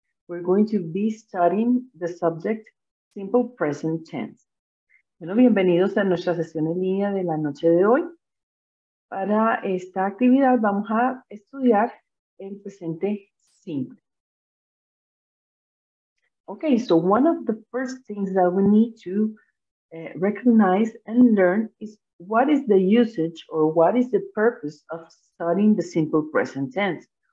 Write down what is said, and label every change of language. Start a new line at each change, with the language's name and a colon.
English: We're going to be studying the subject Simple Present Tense.
Spanish: Bueno, bienvenidos a nuestra sesión en línea de la noche de hoy. Para esta actividad vamos a estudiar el presente simple.
English: Okay, so one of the first things that we need to recognize and learn is what is the usage or what is the purpose of studying the simple present tense?